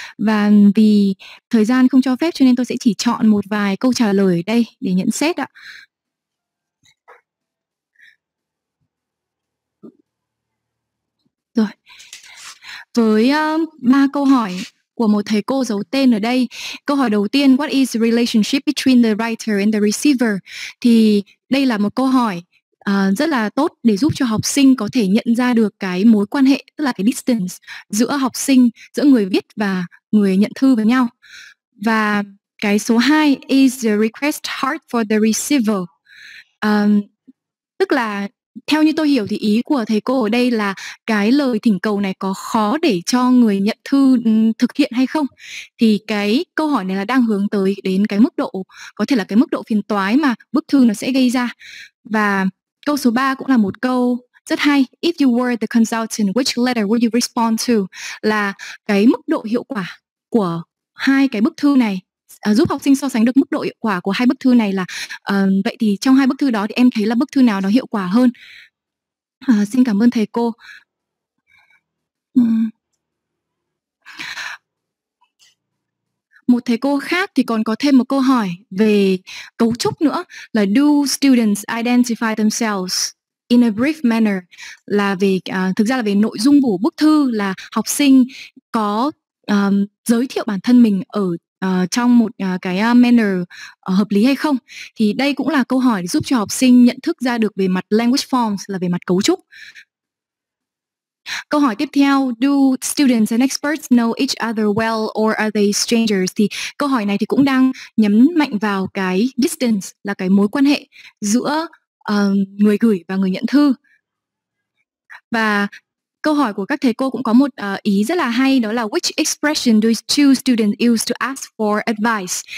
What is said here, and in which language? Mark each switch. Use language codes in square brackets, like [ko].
[vi] Và vì thời gian không cho phép cho nên tôi sẽ chỉ chọn một vài câu trả lời đây để nhận xét ạ. Rồi, với ba câu hỏi của một thầy cô giấu tên ở đây. [en] Câu hỏi đầu tiên, what is the relationship between the writer and the receiver? [vi] Thì đây là một câu hỏi rất là tốt để giúp cho học sinh có thể nhận ra được cái mối quan hệ, tức là cái distance giữa học sinh, giữa người viết và người nhận thư với nhau. [en] Và cái số 2, is the request hard for the receiver? [vi] Tức là theo như tôi hiểu thì ý của thầy cô ở đây là cái lời thỉnh cầu này có khó để cho người nhận thư thực hiện hay không? Thì cái câu hỏi này là đang hướng tới đến cái mức độ, có thể là cái mức độ phiền toái mà bức thư nó sẽ gây ra. Và câu số 3 cũng là một câu rất hay. [en] If you were the consultant, which letter would you respond to? [vi] Là cái mức độ hiệu quả của hai cái bức thư này, giúp học sinh so sánh được mức độ hiệu quả của hai bức thư này là vậy thì trong hai bức thư đó thì em thấy là bức thư nào nó hiệu quả hơn? Xin cảm ơn thầy cô. Một thầy cô khác thì còn có thêm một câu hỏi về cấu trúc nữa là do students identify themselves in a brief manner, là về thực ra là về nội dung của bức thư, là học sinh có giới thiệu bản thân mình ở trong một cái manner hợp lý hay không. Thì đây cũng là câu hỏi giúp cho học sinh nhận thức ra được về mặt language forms, là về mặt cấu trúc. [en] Câu hỏi tiếp theo, do students and experts know each other well or are they strangers? [vi] Thì câu hỏi này thì cũng đang nhấn mạnh vào cái distance, là cái mối quan hệ giữa người gửi và người nhận thư. Và câu hỏi của các thầy cô cũng có một ý rất là hay, đó là which expression do two students use to ask for advice?